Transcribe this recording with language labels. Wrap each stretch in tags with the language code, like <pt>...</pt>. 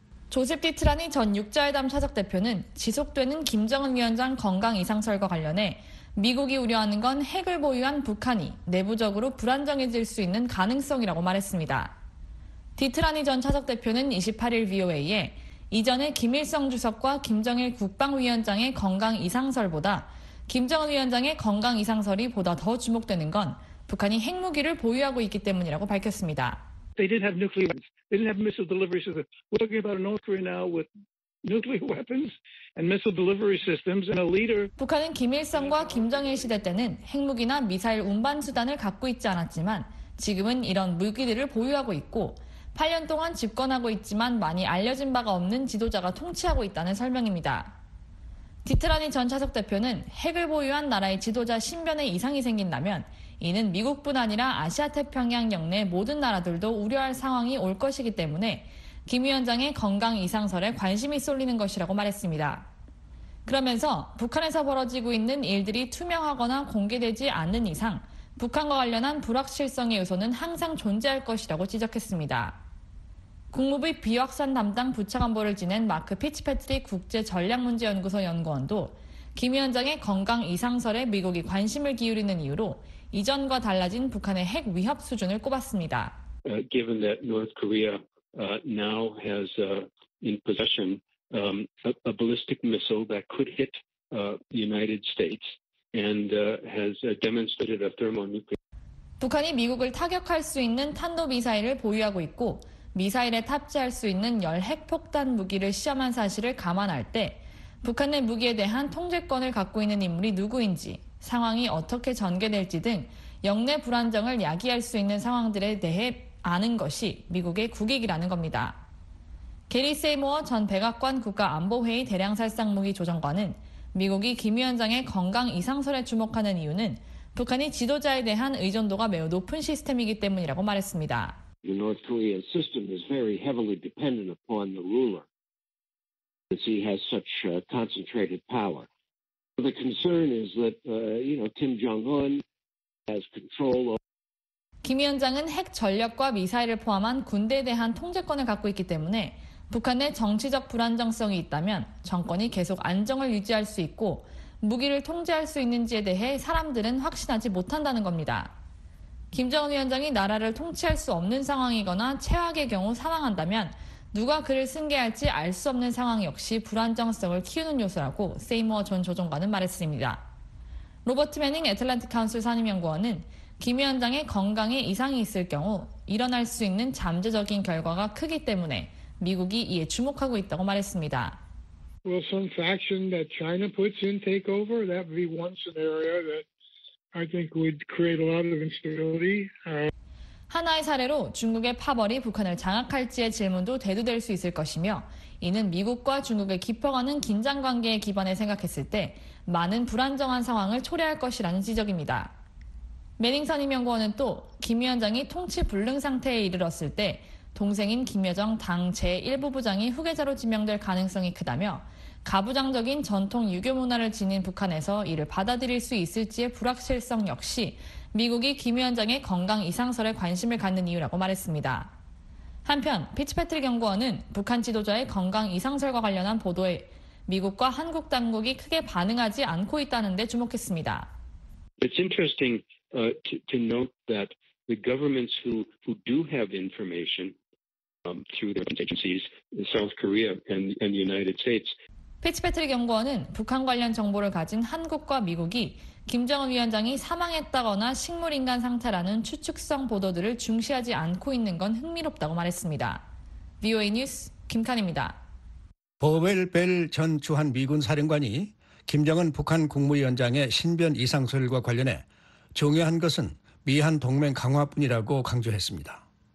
<ko>조셉 디트라니 전 6자회담 사적 대표는 지속되는 김정은 위원장 건강 이상설과 관련해 미국이 우려하는 건 핵을 보유한 북한이 내부적으로 불안정해질 수 있는 가능성이라고 말했습니다. 디트라니 전 차석 대표는 28일 VOA에 이전에 김일성 주석과 김정일 국방위원장의 건강 이상설보다 김정은 위원장의 건강 이상설이 보다 더 주목되는 건 북한이 핵무기를 보유하고 있기 때문이라고 밝혔습니다.</ko> <en>They didn't have nuclear weapons. They didn't have missile delivery systems. We're talking about North Korea now with nuclear weapons and missile delivery systems and a leader.</en> <ko>북한은 김일성과 김정일 시대 때는 핵무기나 미사일 운반 수단을 갖고 있지 않았지만 지금은 이런 무기들을 보유하고 있고 8년 동안 집권하고 있지만 많이 알려진 바가 없는 지도자가 통치하고 있다는 설명입니다. 디트라니 전 차석 대표는 핵을 보유한 나라의 지도자 신변에 이상이 생긴다면 이는 미국뿐 아니라 아시아태평양 영내 모든 나라들도 우려할 상황이 올 것이기 때문에 김 위원장의 건강 이상설에 관심이 쏠리는 것이라고 말했습니다. 그러면서 북한에서 벌어지고 있는 일들이 투명하거나 공개되지 않는 이상 북한과 관련한 불확실성의 요소는 항상 존재할 것이라고 지적했습니다. 국무부 비확산 담당 부차관보를 지낸 마크 피츠패트릭 국제전략문제연구소 연구원도 김 위원장의 건강 이상설에 미국이 관심을 기울이는 이유로 이전과 달라진 북한의 핵 위협 수준을 꼽았습니다.</ko> <en>Given that North Korea now has in possession a ballistic missile that could hit the United States and has demonstrated a thermonuclear.</en> <ko>북한이 미국을 타격할 수 있는 탄도미사일을 보유하고 있고 미사일에 탑재할 수 있는 열핵폭탄 무기를 시험한 사실을 감안할 때 북한 내 무기에 대한 통제권을 갖고 있는 인물이 누구인지 상황이 어떻게 전개될지 등 영내 불안정을 야기할 수 있는 상황들에 대해 아는 것이 미국의 국익이라는 겁니다. 게리 세이모어 전 백악관 국가안보회의 대량살상무기조정관은 미국이 김 위원장의 건강 이상설에 주목하는 이유는 북한이 지도자에 대한 의존도가 매우 높은 시스템이기 때문이라고 말했습니다.</ko> <en>The North Korean system is very heavily dependent upon the ruler, since he has such concentrated power. The concern is that, you know, Kim Jong-un has control of.</en> <ko>김 위원장은 핵 전력과 미사일을 포함한 군대에 대한 통제권을 갖고 있기 때문에 북한의 정치적 불안정성이 있다면 정권이 계속 안정을 유지할 수 있고 무기를 통제할 수 있는지에 대해 사람들은 확신하지 못한다는 겁니다. 김정은 위원장이 나라를 통치할 수 없는 상황이거나 최악의 경우 사망한다면 누가 그를 승계할지 알 수 없는 상황 역시 불안정성을 키우는 요소라고 세이머 전 조정관은 말했습니다. 로버트 매닝 애틀랜틱 카운슬 상임연구원은 김 위원장의 건강에 이상이 있을 경우 일어날 수 있는 잠재적인 결과가 크기 때문에 미국이 이에 주목하고 있다고 말했습니다.</ko> <en>Well, some faction that China puts in take over, that would be one scenario that I think would create a lot of instability.</en> <ko>하나의 사례로 중국의 파벌이 북한을 장악할지의 질문도 대두될 수 있을 것이며 이는 미국과 중국의 깊어가는 긴장 관계에 기반해 생각했을 때 많은 불안정한 상황을 초래할 것이라는 지적입니다. 매닝 선임연구원은 또 김 위원장이 통치 불능 상태에 이르렀을 때 동생인 김여정 당 제1부 부장이 후계자로 지명될 가능성이 크다며 가부장적인 전통 유교 문화를 지닌 북한에서 이를 받아들일 수 있을지의 불확실성 역시 미국이 김 위원장의 건강 이상설에 관심을 갖는 이유라고 말했습니다. 한편 피츠패트릭 연구원은 북한 지도자의 건강 이상설과 관련한 보도에 미국과 한국 당국이 크게 반응하지 않고 있다는 데 주목했습니다.</ko> <en>It's interesting to note that the governments who do have information through their agencies, South Korea and the United States.</en> <ko>피츠패트릭 연구원은 북한 관련 정보를 가진 한국과 미국이 김정은 위원장이 사망했다거나 식물인간 상태라는 추측성 보도들을 중시하지 않고 있는 건 흥미롭다고 말했습니다. VOA 뉴스 김칸입니다. 보웰 벨 전 주한 미군 사령관이 김정은 북한 국무위원장의 신변 이상설과 관련해 중요한 것은 미한 동맹 강화뿐이라고 강조했습니다.</ko>